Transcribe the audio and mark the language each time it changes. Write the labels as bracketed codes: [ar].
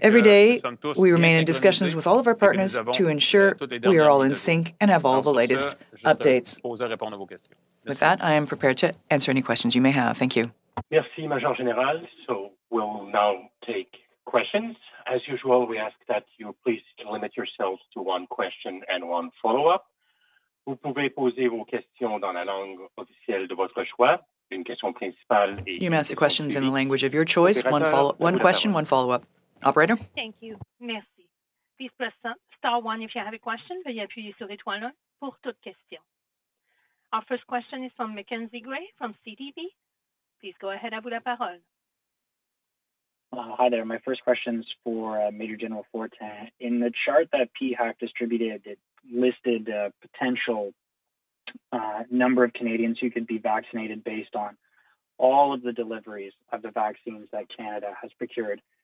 [en] Every day, we remain in discussions with all of our partners to ensure we are all in sync and have all the latest updates. With that, I am prepared to answer any questions you may have. Thank you. Merci, Major General. So we'll now take questions. As usual, we ask that you please limit yourselves to one question and one follow-up. [fr] Vous pouvez poser vos questions dans la langue officielle de votre choix. Une question principale. [en] You may ask the questions in the language of your choice. One question, one follow-up. Operator? Thank you. [fr] Merci. [en] Please press star one if you have a question. [fr] Veuillez appuyer sur étoile un pour toute question. [en] Our first question is from Mackenzie Gray from CDB. Please go ahead, [fr] avoue la parole. [en] Hi there. My first question is for Major General Fortin. In the chart that PHAC distributed, it listed a potential number of Canadians who could be vaccinated based on all of the deliveries of the vaccines that Canada has procured.